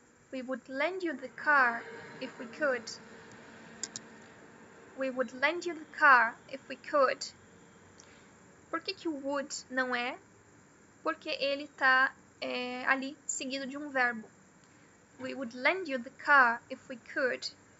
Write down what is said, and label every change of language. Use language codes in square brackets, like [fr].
[en] We would lend you the car if we could. We would lend you the car if we could. [pt] Por que que o would não é? Porque ele tá ali, seguido de um verbo. [en] We would lend you the car if we could.